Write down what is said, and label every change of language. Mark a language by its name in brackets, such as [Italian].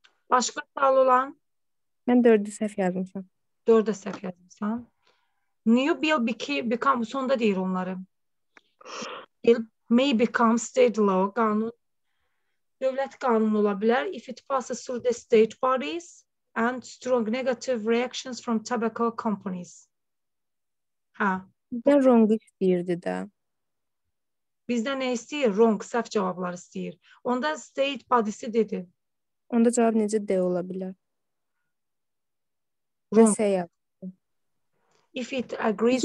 [Azerbaijani] Başqa sual olan? Mən 4-ü səhv yazmışam. 4-ü səhv yazmışam. [English] New bill become [Azerbaijani] sonda deyir onları. [English] Bill may become state law, qanun. [Azerbaijani] Dövlət qanunu ola bilər. [English] If it passes through the state bodies and strong negative reactions from tobacco companies. Ha. [Azerbaijani] Bizdən wrong istəyirdi də. Bizdən nə istəyir? Wrong, səhv cavablar istəyir. Onda state bodies dedi. Onda cavab necə D ola bilər? Wrong. Və [English] if it agrees...